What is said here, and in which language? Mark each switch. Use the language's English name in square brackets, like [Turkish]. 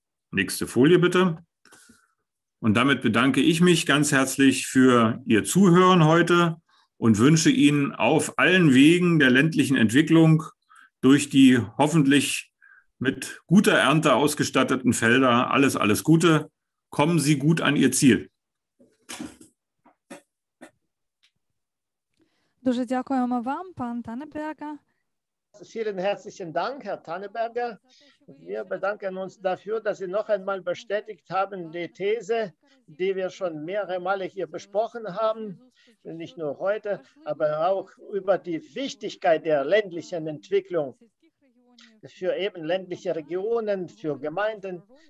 [German] Nächste Folie bitte. Und damit bedanke ich mich ganz herzlich für Ihr Zuhören heute und wünsche Ihnen auf allen Wegen der ländlichen Entwicklung durch die hoffentlich mit guter Ernte ausgestatteten Felder alles, alles Gute. Kommen Sie gut an Ihr Ziel. [Ukrainian] Дуже дякуємо вам, пан Танеберга. [German] Vielen herzlichen Dank, Herr Tanneberger. Wir bedanken uns dafür, dass Sie noch einmal bestätigt haben, die These, die wir schon mehrere Male hier besprochen haben, nicht nur heute, aber auch über die Wichtigkeit der ländlichen Entwicklung für eben ländliche Regionen, für Gemeinden.